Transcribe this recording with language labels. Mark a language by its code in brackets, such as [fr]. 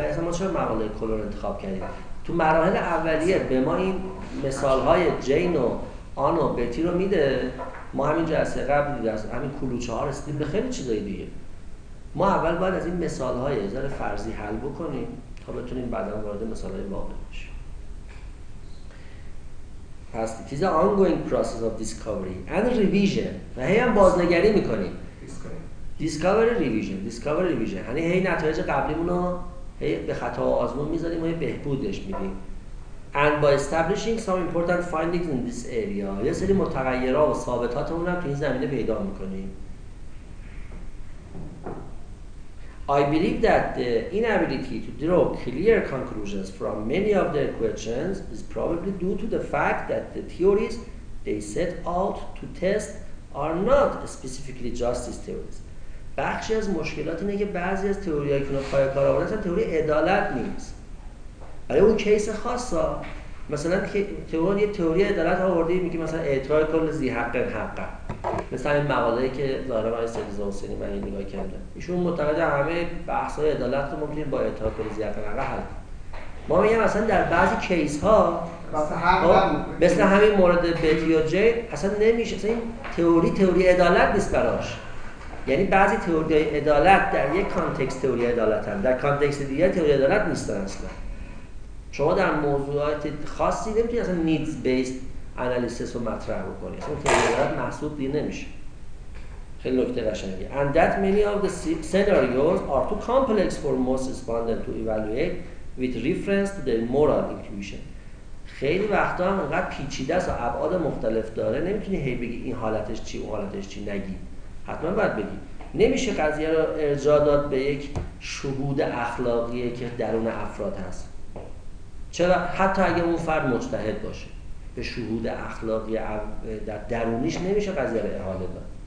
[fa] اصلا ما چرا مقاله کلور انتخاب کردیم؟ تو مراحل اولیه به ما این مثال های جین و آن و بتی رو میده. ما همین جلسه قبل دیده از همین کلوچه ها رسیدیم به خیلی چیزایی دیگه. ما اول باید از این مثال های ازار فرضی حل بکنیم تا بتونیم بعدا وارد مثال های واقعی بشیم. پس [en] it is an ongoing process of discovery and revision. [fa] و هی هم بازنگری میکنیم. [en] Discovery, revision, discovery, revision. [fa] یعنی هی نتایج قبلیمونو هی به خطا و آزمون میذاریم و هی بهبودش میدیم. [en] And by establishing some important findings in this area. [fa] یه سری متغیرها و ثابتاتمون هم تو این زمینه پیدا میکنیم. [en] I believe that the inability to draw clear conclusions from many of their questions is probably due to the fact that the theories they set out to test are not specifically justice theories. [fa] بخشی از مشکلات اینه که بعضی از تئوری‌هایی که اونا پای کار آوردن تئوری عدالت نیست. برای اون کیس خاصا مثلا تئوری یه تئوری عدالت آورده میگه مثلا اعتراض کل ذی حق حقا. مثلا این مقاله‌ای که ظاهرم آقای سید حسینی من این نگاه کردم، ایشون معتقد همه بحث‌های عدالت رو ممکنه با اعتراض کل ذی حق حقا حل کنه. ما میگیم مثلا در بعضی کیس ها مثلا همین مورد بتی و جی اصلا نمیشه. اصلا این تئوری عدالت نیست براش. یعنی بعضی تئوری‌های عدالت در یک کانتکست تئوری عدالتن، در کانتکست دیگه تئوری عدالت نیستن اصلا. شما در موضوعات خاصی نمیتونی اصلا [en] needs based analysis [fa] رو مطرح بکنی، اصلا تئوری عدالت محسوب دیگه نمیشه. خیلی نکته قشنگی. [en] And that many of the scenarios are too complex for most respondents to evaluate with reference to their moral intuition. [fa] خیلی وقتا هم انقدر پیچیده است و ابعاد مختلف داره، نمیتونی هی بگی این حالتش چی و حالتش چی. نگی، حتما باید بگی. نمیشه قضیه رو ارجاع داد به یک شهود اخلاقیه که درون افراد هست. چرا؟ حتی اگه اون فرد مجتهد باشه، به شهود اخلاقی در درونیش نمیشه قضیه رو احاله داد.